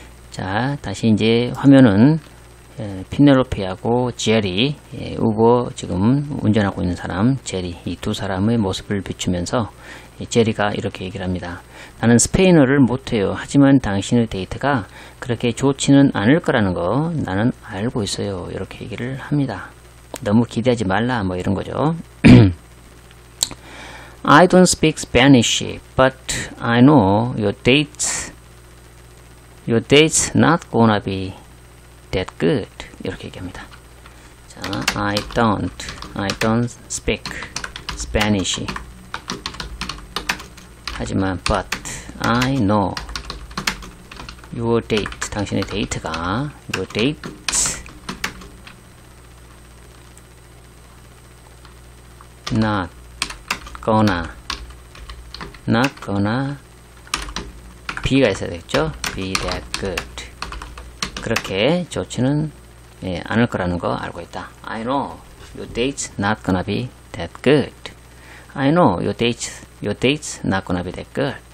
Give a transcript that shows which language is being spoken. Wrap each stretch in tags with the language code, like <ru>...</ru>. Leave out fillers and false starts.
<ko>자, 다시 이제 화면은 예, 피넬로피하고 제리, 예, 우버 지금 운전하고 있는 사람 제리, 이 두 사람의 모습을 비추면서 예, 제리가 이렇게 얘기를 합니다. 나는 스페인어를 못해요. 하지만 당신의 데이트가 그렇게 좋지는 않을 거라는 거 나는 알고 있어요. 이렇게 얘기를 합니다. 너무 기대하지 말라 뭐 이런 거죠.</ko> <en>I don't speak Spanish, but I know your date's not gonna be that good.</en> <ko>이렇게 얘기합니다. 자,</ko> <en>I don't speak Spanish.</en> <ko>하지만</ko> <en>but I know your date.</en> <ko>당신의 데이트가</ko> <en>your date not gonna be</en> <ko>가 있어야 되겠죠?</ko> <en>Be that good.</en> <ko>그렇게 좋지는 예, 않을 거라는 거 알고 있다.</ko> <en>I know your date's not gonna be that good. I know your date's not gonna be that good.</en>